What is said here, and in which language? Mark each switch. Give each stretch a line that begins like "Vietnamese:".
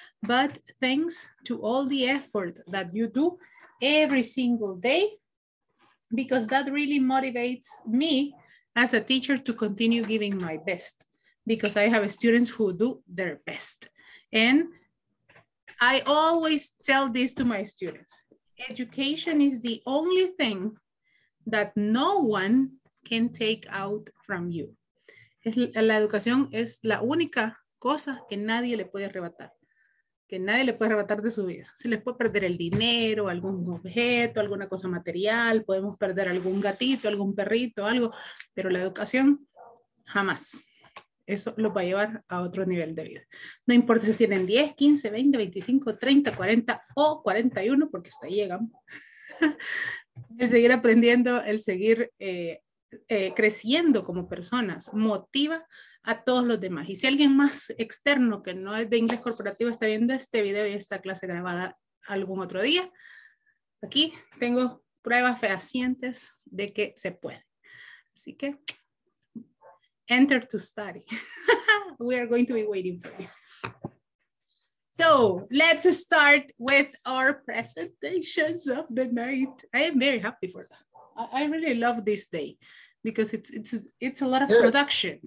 English: But thanks to all the effort that you do every single day, because that really motivates me as a teacher to continue giving my best, because I have students who do their best. And I always tell this to my students, education is the only thing that no one can take out from you.
Spanish: La educación es la única cosa que nadie le puede arrebatar. Que nadie le puede arrebatar de su vida. Se les puede perder el dinero, algún objeto, alguna cosa material, podemos perder algún gatito, algún perrito, algo, pero la educación jamás. Eso lo va a llevar a otro nivel de vida. No importa si tienen 10, 15, 20, 25, 30, 40 o 41, porque hasta ahí llegan. El seguir aprendiendo, el seguir creciendo como personas, motiva a todos los demás. Y si alguien más externo que no es de inglés corporativo está viendo este video y esta clase grabada algún otro día, aquí tengo pruebas fehacientes de que se puede. Así que,
English: enter to study. We are going to be waiting for you. So, let's start with our presentations of the night. I am very happy for that. I really love this day. Because it's a lot of production.